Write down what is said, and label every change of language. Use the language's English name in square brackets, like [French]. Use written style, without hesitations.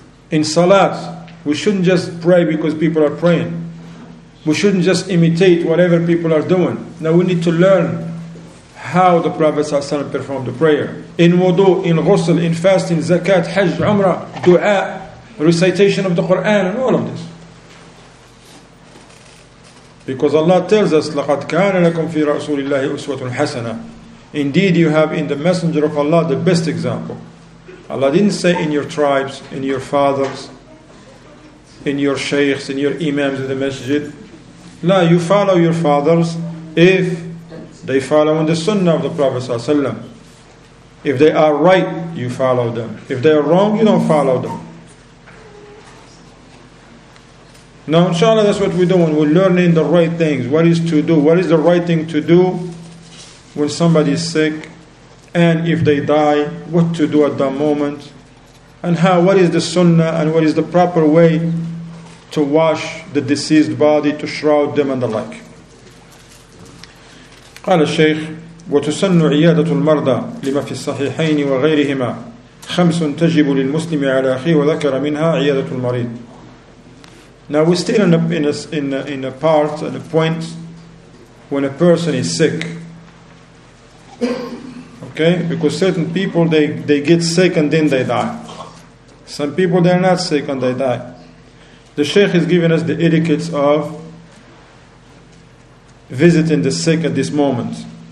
[English] In salat, we shouldn't just pray because people are praying. We shouldn't just imitate whatever people are doing. Now we need to learn how the Prophet ﷺ performed the prayer. In wudu, in ghusl, in fasting, zakat, hajj, umrah, dua, recitation of the Qur'an, and all of this. [Arabic] Because Allah tells us, لَقَدْ كَانَ لَكُمْ فِي رَسُولِ اللَّهِ أُسْوَةٌ حَسَنًا. [English] Indeed, you have in the Messenger of Allah the best example. Allah didn't say in your tribes, in your fathers, in your sheikhs, in your imams in the masjid. No, you follow your fathers if they follow in the sunnah of the Prophet ﷺ. If they are right, you follow them. If they are wrong, you don't follow them. Now, inshallah, that's what we're doing. We're learning the right things. What is to do? What is the right thing to do when somebody is sick? And if they die, what to do at that moment? And how? What is the sunnah and what is the proper way to wash the deceased body, to shroud them and the like? [Arabic] قال الشيخ وتسن عيادة المرضى لما في الصحيحين وغيرهما خمس تجب للمسلم على أخيه وذكر منها عيادة المريض. [English] Now we're still in a part and a point when a person is sick. Okay, because certain people they get sick and then they die. Some people they're not sick and they die. The Shaykh is giving us the etiquettes of visiting the sick at this moment.